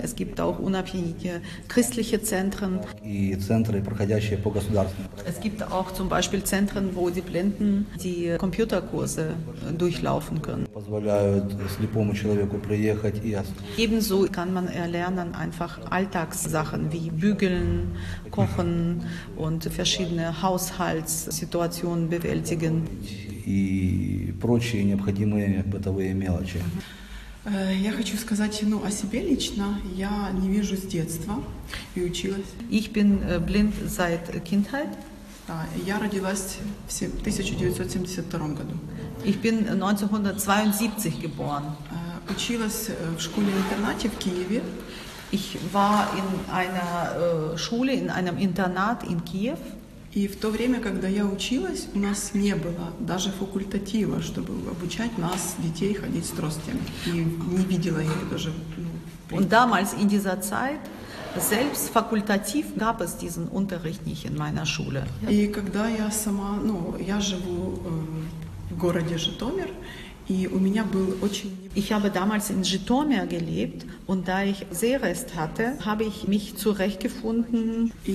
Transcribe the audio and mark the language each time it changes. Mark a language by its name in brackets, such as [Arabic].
[German] Es gibt auch unabhängige christliche Zentren. Es gibt auch zum Beispiel Zentren, wo die Blinden die Computerkurse durchlaufen können. Ebenso kann man erlernen einfach Alltagssachen wie bügeln, kochen und verschiedene Haushaltssituationen bewältigen. [Russian] И прочие необходимые бытовые мелочи. Я хочу сказать, ну, о себе лично. Я не вижу с детства и училась. [German] Ich bin blind seit Kindheit. [Russian] Да, я родилась в 1972 году. [German] Ich bin 1972 geboren. [Russian] Училась в школе-интернате в Киеве. [German] Ich war in einer Schule, in einem Internat in Kiew. [Russian] И в то время, когда я училась, у нас не было даже факультатива, чтобы обучать нас, детей, ходить с тростями. И не видела я даже. [German] Und damals in dieser Zeit selbst fakultativ gab es diesen Unterricht nicht in meiner Schule. [Russian] И когда я сама, ну, я живу в городе Житомир, и у меня был очень [German] Ich habe damals in Zhytomyr gelebt und da ich Sehrest hatte, habe ich mich zurechtgefunden.